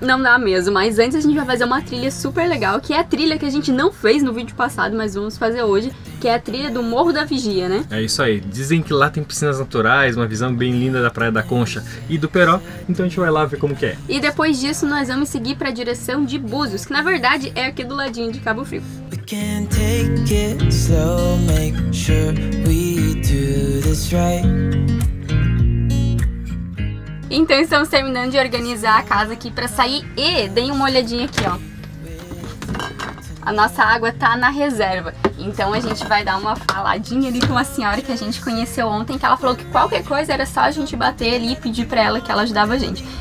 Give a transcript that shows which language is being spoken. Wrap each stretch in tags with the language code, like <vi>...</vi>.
<pt>Não dá mesmo, mas antes a gente vai fazer uma trilha super legal, que é a trilha que a gente não fez no vídeo passado, mas vamos fazer hoje, que é a trilha do Morro da Vigia, né? É isso aí. Dizem que lá tem piscinas naturais, uma visão bem linda da Praia da Concha e do Peró, então a gente vai lá ver como que é. E depois disso nós vamos seguir para a direção de Búzios, que na verdade é aqui do ladinho de Cabo Frio.</pt> <en>Can't take it slow, make sure we do this right.</en> <pt>Então estamos terminando de organizar a casa aqui para sair e deem uma olhadinha aqui, ó. A nossa água tá na reserva. Então a gente vai dar uma faladinha ali com uma senhora que a gente conheceu ontem, que ela falou que qualquer coisa era só a gente bater ali e pedir pra ela que ela ajudava a gente.</pt>